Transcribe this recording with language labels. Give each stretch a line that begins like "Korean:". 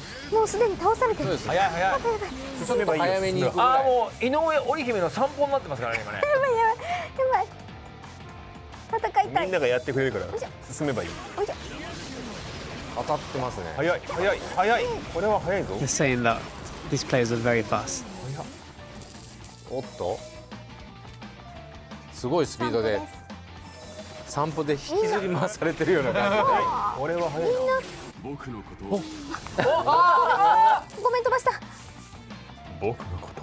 Japanese: もうすでに倒されてる。早い早い、進めばいいよ。早めに行く。あ、もう井上織姫の散歩になってますからね、今ね。やばいやばい、やばい、戦いたい。みんながやってくれるから進めばいい。おいしょ、当たってますね。早い早い早い、これは早いぞ。
English: They're saying that this player is very fast。
Japanese: 早っ、おっと、すごいスピードで散歩で引きずり回されてるような感じ。これは早いな。僕のことを。ごめん、飛ばした。僕のこと